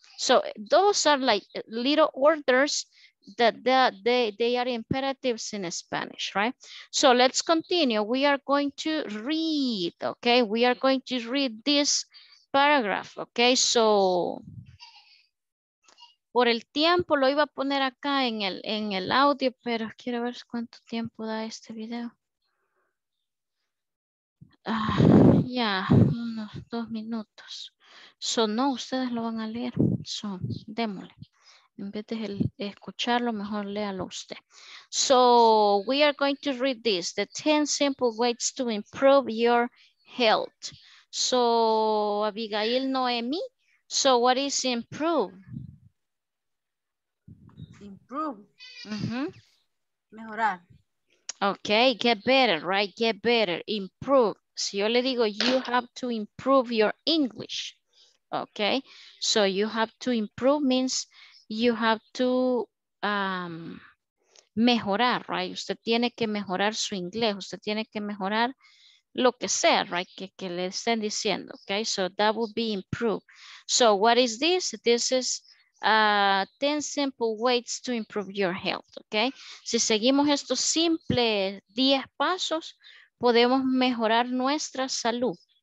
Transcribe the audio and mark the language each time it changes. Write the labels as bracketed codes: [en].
[en] So, those are like little orders that they are imperatives in Spanish, right? So, let's continue. We are going to read, okay? We are going to read this paragraph, okay? [es] So, por el tiempo, lo iba a poner acá en el audio, pero quiero ver cuánto tiempo da este video. Unos 2 minutos. So, no, ustedes lo van a leer. So, démosle. En vez de escucharlo, mejor léalo usted. [en] So, we are going to read this. The 10 simple ways to improve your health. So, Abigail Noemi. So, what is improve? [es] Mejorar. [en] Okay, get better, right? Get better, improve. [es] Si yo le digo, [en] you have to improve your English. Okay, so you have to improve means you have to mejorar, right? [es] Usted tiene que mejorar su inglés. Usted tiene que mejorar lo que sea, right? Que le estén diciendo, [en] okay? So that would be improve. So what is this? This is 10 simple ways to improve your health, okay? [es] Si seguimos estos simples 10 pasos, podemos mejorar nuestra salud.